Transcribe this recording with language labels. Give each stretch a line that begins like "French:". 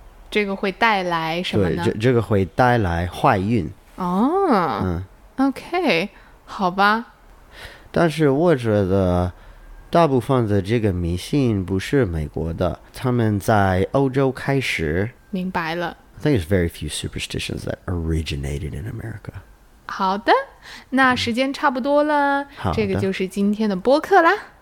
Chinese: 这个会带来什么呢？这个会带来坏运。 OK, 好吧。但是我觉得大部分的这个迷信不是美国的，他们在欧洲开始。明白了。
English: I think there's very few superstitions that originated in America.
Chinese: 好的，那时间差不多了，这个就是今天的播客啦。